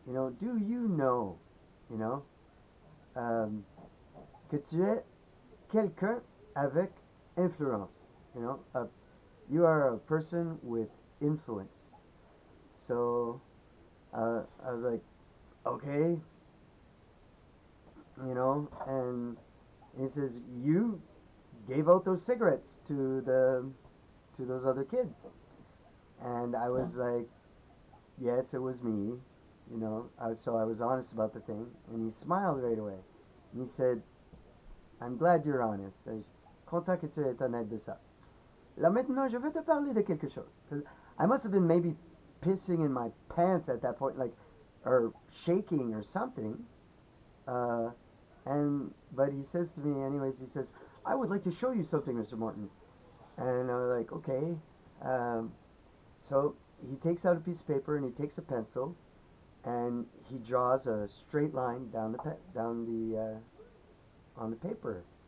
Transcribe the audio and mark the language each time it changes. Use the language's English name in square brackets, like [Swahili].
[English] Do you know, [French] que tu es quelqu'un avec influence? [English] You are a person with influence. So I was like, okay, and he says, you gave out those cigarettes to those other kids. And I was like, yes, it was me, so I was honest about the thing. And he smiled right away. And he said, I'm glad you're honest. I'm [French] content que tu es honnête de ça. Là maintenant, je vais te parler de quelque chose. [English] Because I must have been maybe pissing in my pants at that point, like, or shaking or something. But he says to me, anyways, he says, I would like to show you something, Mr. Morton. And I was like, okay. So he takes out a piece of paper and he takes a pencil and he draws a straight line down the pe down the on the paper.